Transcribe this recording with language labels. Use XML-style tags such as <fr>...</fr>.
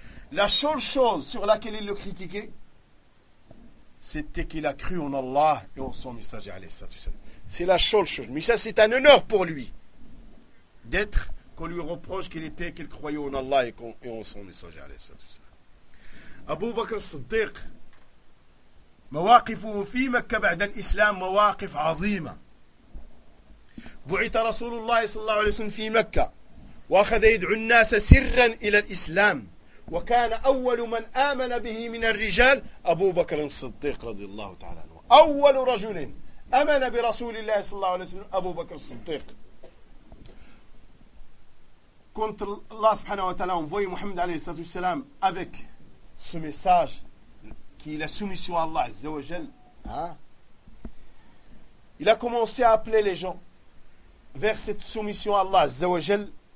<fr>La seule chose sur laquelle il le critiquait, c'était qu'il a cru en Allah et en son messager, alayhi salatu wasalam. C'est la seule chose. Mais ça, c'est un honneur pour lui d'être qu'on lui reproche qu'il était, qu'il croyait en Allah et en son messager, alayhi salatu wasalam.</fr> <ar>Abu Bakr Siddiq, مواقفه في مكة بعد الإسلام مواقف عظيمة. بعث رسول الله صلى الله عليه وسلم في مكة وأخذ يدعو الناس سرا إلى الإسلام، وكان أول من آمن به من الرجال أبو بكر الصديق رضي الله تعالى عنه. أول رجل آمن برسول الله صلى الله عليه وسلم أبو بكر الصديق. كنت الله سبحانه وتعالى في محمد عليه الصلاة والسلام</ar> <fr>avec ce message qu'il a soumis sur Allah Azza wa Jal. Il a commencé à appeler les gens vers cette soumission à Allah Azza wa Jal.</fr>